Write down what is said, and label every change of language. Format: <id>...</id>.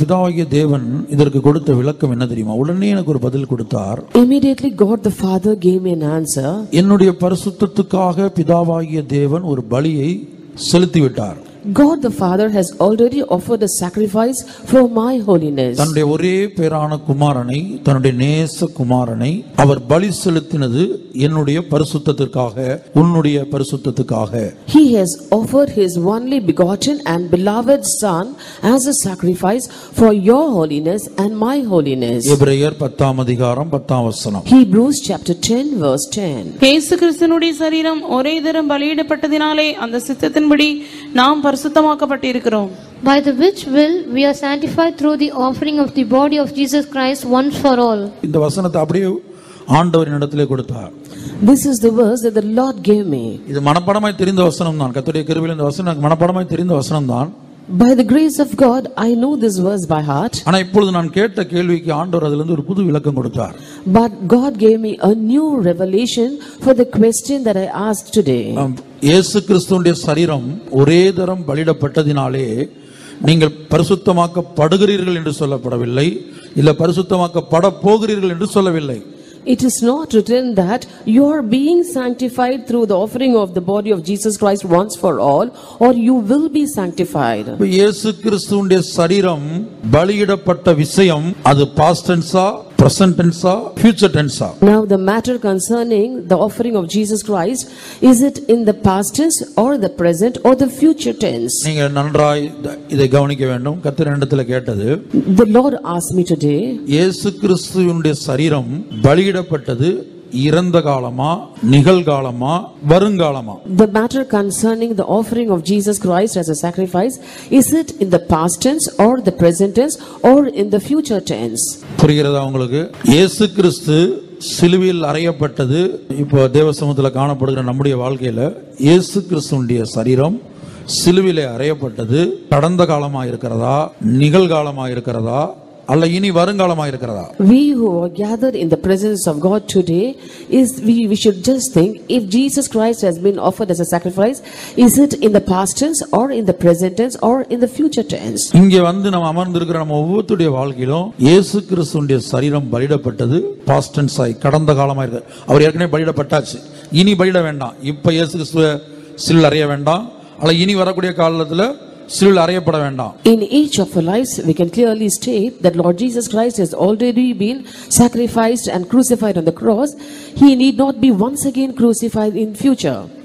<ta>பிதாவாகிய தேவன் இதற்கு கொடுத்த விளக்கம் என்ன தெரியுமா உடனே எனக்கு ஒரு பதில் கொடுத்தார்</ta> <en>Immediately God the Father gave me an answer</en> <ta>என்னுடைய பரிசுத்தத்துக்காக பிதாவாகிய தேவன் ஒரு பலியை செலுத்தி விட்டார்</ta> <en>God the Father has already offered a sacrifice for my holiness.</en> <ta>தன்னுடைய ஒரே பேரான குமாரனை தன்னுடைய நேச குமாரனை அவர் பலி செலுத்தினது என்னுடைய பரிசுத்தத்துக்காக உன்னுடைய பரிசுத்தத்துக்காக.</ta> <en>He has offered his only begotten and beloved son as a sacrifice for your holiness and my holiness.</en> <ta>எபிரேயர் 10 அதிகாரம் 10 வசனம்.</ta> <en>Hebrews chapter 10 verse 10.</en> <ta>இயேசு கிறிஸ்துவின் சரீரம் ஒரே தரம் பலியிடப்பட்டதினாலே அந்த சித்தத்தின்படி நாம் பரிசுத்தமாக்கப்பட்டிருக்கிறோம்.</ta> <en>By the which will we are sanctified through the offering of the body of Jesus Christ once for all.</en> <ta>இந்த வசனத்தை அப்படியே ஆண்டவரின் இடத்திலே கொடுத்தார்.</ta> <en>This is the verse that the Lord gave me.</en> <ta>இது மனப்பாடமாய் தெரிந்த வசனம் தான். கர்த்தருடைய கிருபையில இந்த வசனம் எனக்கு மனப்பாடமாய் தெரிந்த வசனம் தான்.</ta> <en>By the grace of God I know this verse by heart.</en> <ta>ஆனா இப்பொழுது நான் கேட்ட கேள்விக்கு ஆண்டவர் அதிலிருந்து ஒரு புது விளக்கம் கொடுத்தார்.</ta> <en>But God gave me a new revelation for the question that I asked today.</en> <ta>இயேசு கிறிஸ்துவின் சரீரம் ஒரே தரம் பலியிடப்பட்டதினாலே நீங்கள் பரிசுத்தமாக்கப்படுகிறீர்கள் என்று சொல்லப்படவில்லை இல்ல பரிசுத்தமாக்கப்பட போகிறீர்கள் என்று சொல்லவில்லை.</ta> <en>It is not written that you are being sanctified through the offering of the body of Jesus Christ once for all or you will be sanctified.</en> <ta>இயேசு கிறிஸ்துவின் சரீரம் பலியிடப்பட்ட விஷயம் அது past tense-ஆ</ta> <en>present tense or future tense? Now the matter concerning the offering of Jesus Christ, is it in the past tense or the present or the future tense?</en> <ta>நீங்க நன்றாய் இதை கவனிக்க வேண்டும். கர்த்தர் என்னிடத்தில் கேட்டது.</ta> <en>The Lord asked me today.</en> <ta>இயேசு கிறிஸ்துவின் சரீரம் பலியிடப்பட்டது இறந்த காலமா நிகழ்காலமா வருங்காலமா?</ta> <en>The matter concerning the offering of Jesus Christ as a sacrifice, is it in the past tense or the present tense or in the future tense?</en> <ta>புரியுறதா உங்களுக்கு? இயேசு கிறிஸ்து சிலுவையில் அறையப்பட்டது இப்போ தேவசமூகத்தில் காணப்படுகிற நம்முடைய வாழ்க்கையில இயேசு கிறிஸ்துவின் சரீரம் சிலுவிலே அறையப்பட்டது கடந்த காலமா இருக்கிறதா நிகழ்காலமா இருக்கிறதா அல்ல இனி வருங்காலமாக இருக்கிறதா?</ta> <en>We who are gathered in the presence of God today, is we should just think, if Jesus Christ has been offered as a sacrifice, is it in the past tense or in the present tense or in the future tense?</en> <ta>இங்கே வந்து நாம் அமர்ந்திருக்கிற நம்ம ஒவ்வொருத்தருடைய வாழ்க்கையிலும் இயேசு கிறிஸ்துவின் சரீரம் பலியிடப்பட்டது past tense ஆகி கடந்த காலமாக இருக்கு. அவர் ஏற்கனவே பலியிடப்பட்டாச்சு, இனி பலியிட வேண்டாம், இப்ப இயேசு கிறிஸ்துவ சில் அறிய வேண்டாம், அல்ல இனி வரக்கூடிய காலத்துல சிலுவையில் அறையப்பட வேண்டாம்.</ta> <en>In each of our lives we can clearly state that Lord Jesus Christ has already been sacrificed and crucified on the cross. He need not be once again crucified in future.</en>